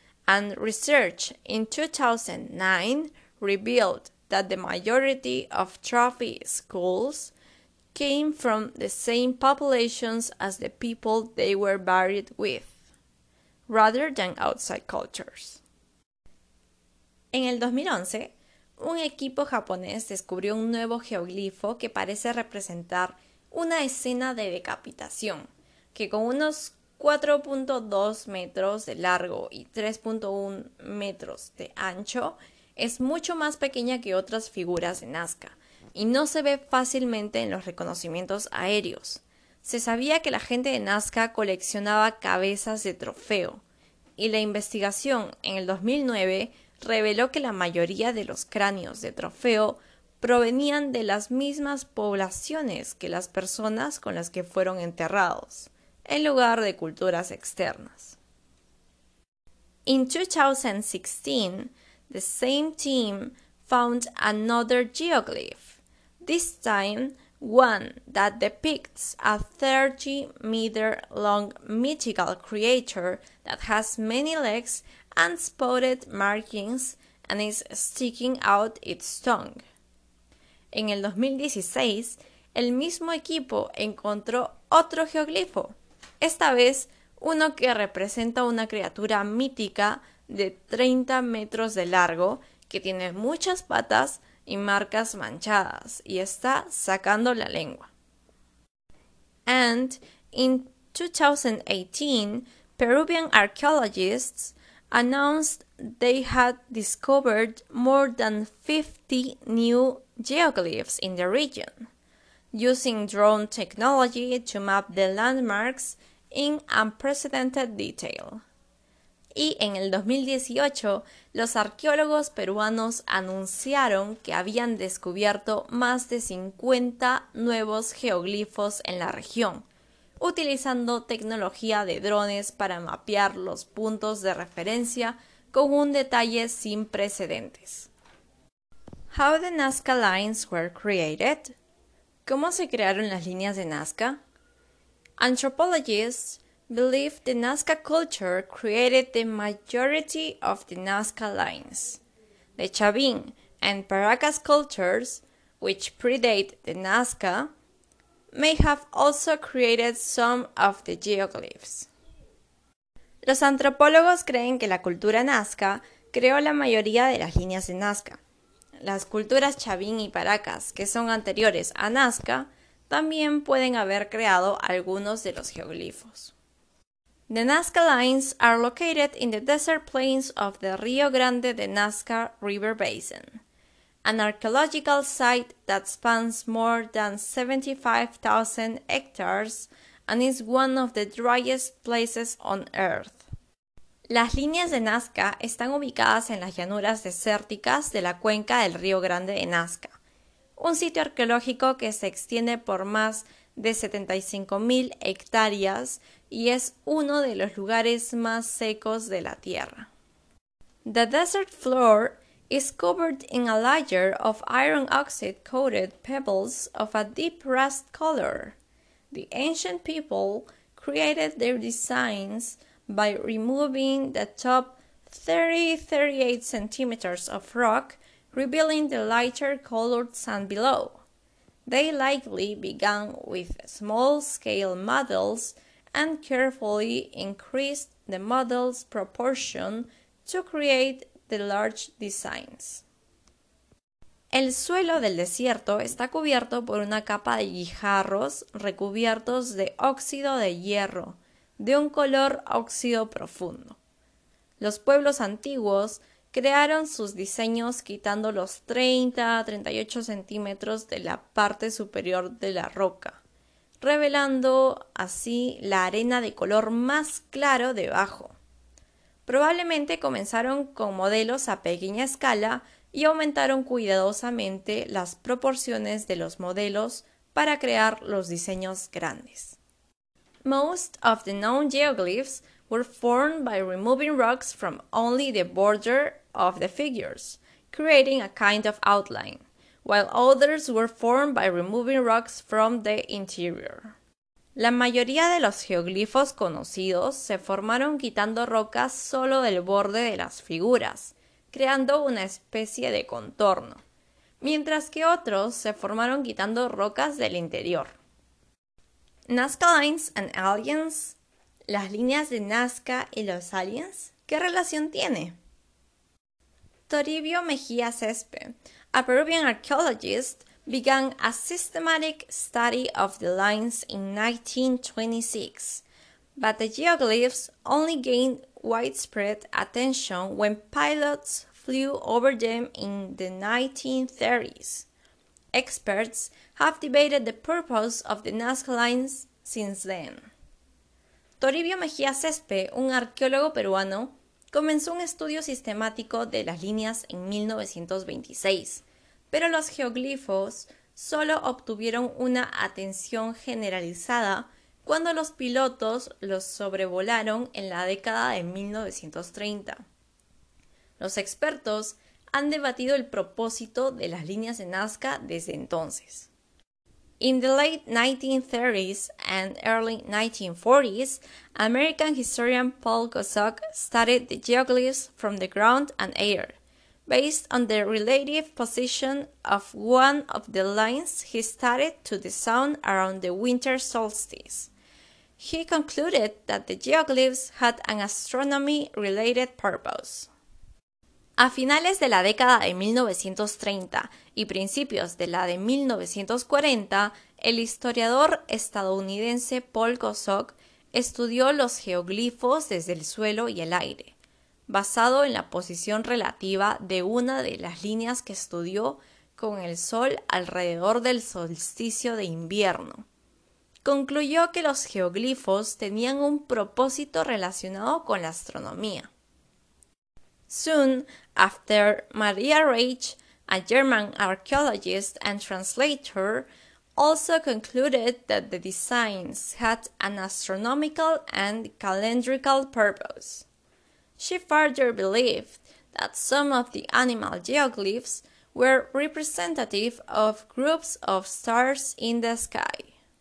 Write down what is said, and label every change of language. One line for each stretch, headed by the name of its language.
English: And research in 2009 revealed that the majority of trophy skulls came from the same populations as the people they were buried with, rather than outside cultures.
Spanish: En el 2011, un equipo japonés descubrió un nuevo geoglifo que parece representar una escena de decapitación, que con unos 4.2 metros de largo y 3.1 metros de ancho, es mucho más pequeña que otras figuras de Nazca, y no se ve fácilmente en los reconocimientos aéreos. Se sabía que la gente de Nazca coleccionaba cabezas de trofeo, y la investigación en el 2009 reveló que la mayoría de los cráneos de trofeo provenían de las mismas poblaciones que las personas con las que fueron enterrados, en lugar de culturas externas.
English: In 2016, the same team found another geoglyph, this time one that depicts a 30-meter-long mythical creature that has many legs and spotted markings and is sticking out its tongue.
Spanish: En el 2016, el mismo equipo encontró otro geoglifo, esta vez uno que representa una criatura mítica de 30 metros de largo que tiene muchas patas y marcas manchadas y está sacando la lengua.
English: And in 2018, Peruvian archaeologists announced they had discovered more than 50 new geoglyphs in the region, using drone technology to map the landmarks in unprecedented detail.
Spanish: Y en el 2018, los arqueólogos peruanos anunciaron que habían descubierto más de 50 nuevos geoglifos en la región, utilizando tecnología de drones para mapear los puntos de referencia con un detalle sin precedentes.
English: How the Nazca lines were created?
Spanish: ¿Cómo se crearon las líneas de Nazca?
English: Anthropologists believe the Nazca culture created the majority of the Nazca lines. The Chavín and Paracas cultures, which predate the Nazca, may have also created some of the geoglyphs.
Spanish: Los antropólogos creen que la cultura Nazca creó la mayoría de las líneas de Nazca. Las culturas Chavín y Paracas, que son anteriores a Nazca, también pueden haber creado algunos de los geoglifos.
English: The Nazca lines are located in the desert plains of the Rio Grande de Nazca River Basin, an archaeological site that spans more than 75,000 hectares and is one of the driest places on Earth.
Spanish: Las líneas de Nazca están ubicadas en las llanuras desérticas de la cuenca del Rio Grande de Nazca, un sitio arqueológico que se extiende por más de 75,000 hectáreas y es uno de los lugares más secos de la Tierra.
English: The desert floor is covered in a layer of iron oxide-coated pebbles of a deep rust color. The ancient people created their designs by removing the top 30-38 centimeters of rock, revealing the lighter-colored sand below. They likely began with small-scale models and carefully increased the model's proportion to create the large designs.
Spanish: El suelo del desierto está cubierto por una capa de guijarros recubiertos de óxido de hierro, de un color óxido profundo. Los pueblos antiguos crearon sus diseños quitando los 30 a 38 centímetros de la parte superior de la roca, revelando así la arena de color más claro debajo. Probablemente comenzaron con modelos a pequeña escala y aumentaron cuidadosamente las proporciones de los modelos para crear los diseños grandes.
English: Most of the known geoglyphs were formed by removing rocks from only the border of the figures, creating a kind of outline, while others were formed by removing rocks from the interior.
Spanish: La mayoría de los geoglifos conocidos se formaron quitando rocas solo del borde de las figuras, creando una especie de contorno, mientras que otros se formaron quitando rocas del interior.
English: Nazca Lines and Aliens,
Spanish: las líneas de Nazca y los aliens, ¿qué relación tiene?
English: Toribio Mejía Céspe, a Peruvian archaeologist, began a systematic study of the lines in 1926, but the geoglyphs only gained widespread attention when pilots flew over them in the 1930s. Experts have debated the purpose of the Nazca lines since then.
Spanish: Toribio Mejía Céspe, un arqueólogo peruano, comenzó un estudio sistemático de las líneas en 1926, pero los geoglifos solo obtuvieron una atención generalizada cuando los pilotos los sobrevolaron en la década de 1930. Los expertos han debatido el propósito de las líneas de Nazca desde entonces.
English: In the late 1930s and early 1940s, American historian Paul Gossock studied the geoglyphs from the ground and air, based on the relative position of one of the lines he studied to the sun around the winter solstice. He concluded that the geoglyphs had an astronomy-related purpose.
Spanish: A finales de la década de 1930 y principios de la de 1940, el historiador estadounidense Paul Gossock estudió los geoglifos desde el suelo y el aire, basado en la posición relativa de una de las líneas que estudió con el sol alrededor del solsticio de invierno. Concluyó que los geoglifos tenían un propósito relacionado con la astronomía.
English: Soon after, Maria Reich, a German archaeologist and translator, also concluded that the designs had an astronomical and calendrical purpose. She further believed that some of the animal geoglyphs were representative of groups of stars in the sky.